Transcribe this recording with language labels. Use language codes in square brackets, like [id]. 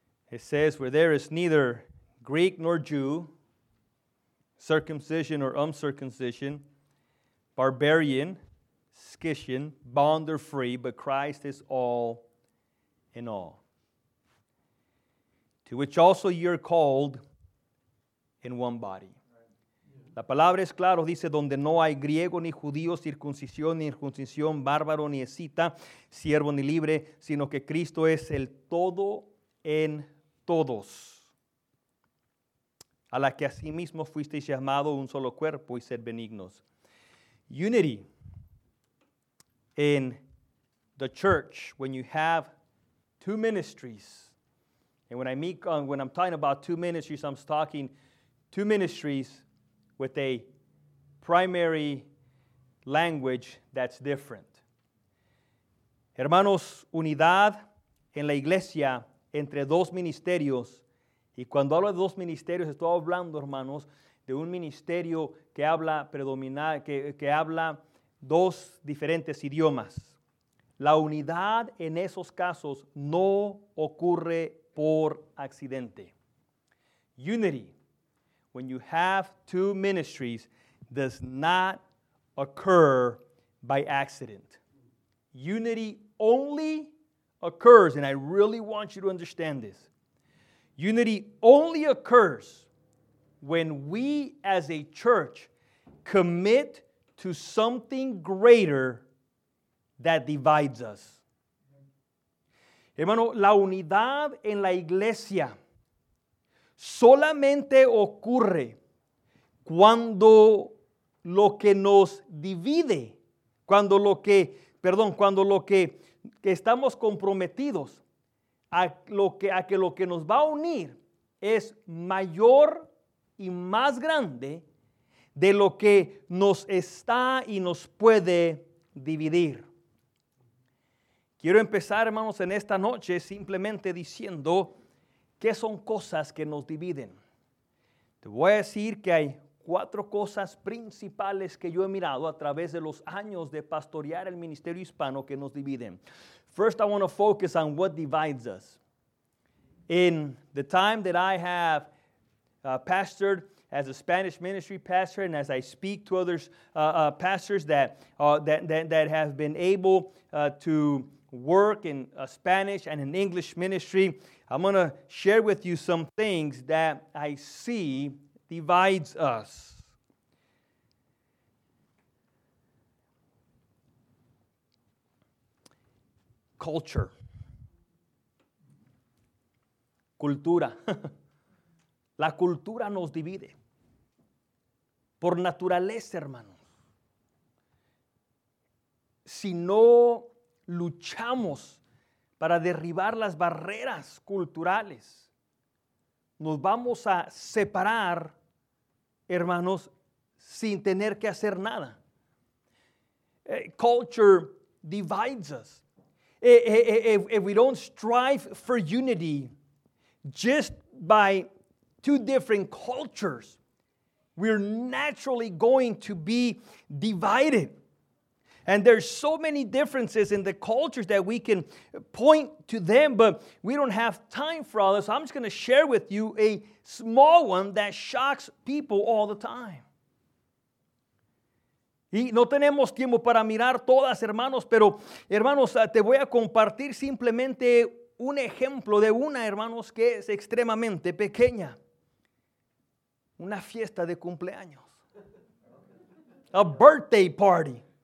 [en] It says, where there is neither Greek nor Jew, circumcision or uncircumcision, barbarian, Scythian, bond or free, but Christ is all in all. To which also you're called in one body. [es] La palabra es claro, dice, donde no hay griego ni judío, circuncisión ni incircuncisión, bárbaro ni escita, siervo ni libre, sino que Cristo es el todo en todos. A la que asimismo fuisteis llamado un solo cuerpo y sed benignos. [en] Unity in the church, when you have two ministries. And when I'm talking about two ministries, I'm talking two ministries with a primary language that's different. [es] Hermanos, unidad en la iglesia entre dos ministerios. Y cuando hablo de dos ministerios, estoy hablando, hermanos, de un ministerio que habla que habla dos diferentes idiomas. La unidad en esos casos no ocurre por accidente. [en] Unity, when you have two ministries, does not occur by accident. Unity only occurs, and I really want you to understand this. Unity only occurs when we as a church commit to something greater that divides us. [es] Hermano, la unidad en la iglesia solamente ocurre cuando lo que nos divide, cuando lo que estamos comprometidos a que lo que nos va a unir es mayor y más grande de lo que nos está y nos puede dividir. Quiero empezar, hermanos, en esta noche simplemente diciendo, ¿qué son cosas que nos dividen? Te voy a decir que hay cuatro cosas principales que yo he mirado a través de los años de pastorear el ministerio hispano que nos dividen. [en] First, I want to focus on what divides us. In the time that I have pastored as a Spanish ministry pastor, and as I speak to others, pastors that have been able to work in Spanish and in English ministry, I'm going to share with you some things that I see divides us. Culture. [es] Cultura. La cultura nos divide. Por naturaleza, hermanos. Si no luchamos para derribar las barreras culturales, nos vamos a separar, hermanos, sin tener que hacer nada. [en] Culture divides us. If we don't strive for unity just by two different cultures, we're naturally going to be divided. And there's so many differences in the cultures that we can point to them, but we don't have time for all this. So I'm just going to share with you a small one that shocks people all the time. [es] Y no tenemos tiempo para mirar todas, hermanos, pero, hermanos, te voy a compartir simplemente un ejemplo de una, hermanos, que es extremadamente pequeña. Una fiesta de cumpleaños. [en] A birthday party.